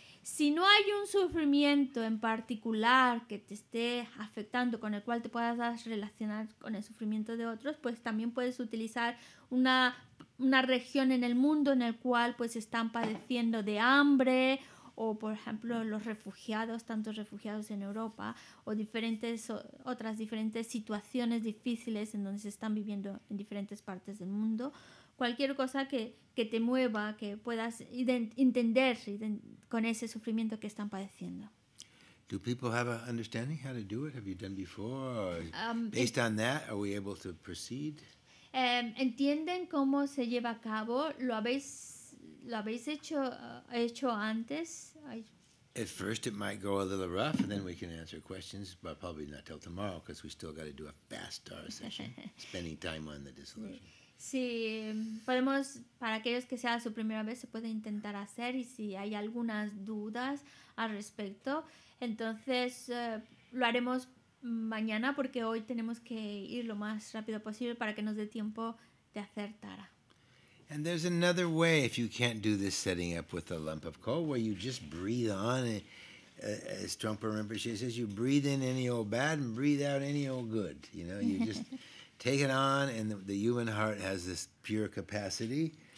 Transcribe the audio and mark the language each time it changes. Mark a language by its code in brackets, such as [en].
[es] Si no hay un sufrimiento en particular que te esté afectando, con el cual te puedas relacionar con el sufrimiento de otros, pues también puedes utilizar una región en el mundo en el cual pues están padeciendo de hambre, o por ejemplo los refugiados, tantos refugiados en Europa, o diferentes situaciones difíciles en donde se están viviendo en diferentes partes del mundo. Cualquier cosa que te mueva, que puedas entender con ese sufrimiento que están padeciendo. [en] Do people have an understanding how to do it? Have you done before? Based on that, are we able to proceed? [es] ¿Entienden cómo se lleva a cabo? ¿Lo habéis hecho antes? [en] At first it might go a little rough, and then we can answer questions, but probably not till tomorrow, because we still got to do a fast star session, spending time on the dissolution. [es] Sí, podemos, para aquellos que sea su primera vez, se puede intentar hacer, y si hay algunas dudas al respecto, entonces lo haremos mañana, porque hoy tenemos que ir lo más rápido posible para que nos dé tiempo de hacer Tara. [en] And there's another way, if you can't do this setting up with a lump of coal, where you just breathe on, as Trungpa Rinpoche says, you breathe in any old bad and breathe out any old good, you know, you just... take it on, and the human heart has this pure capacity.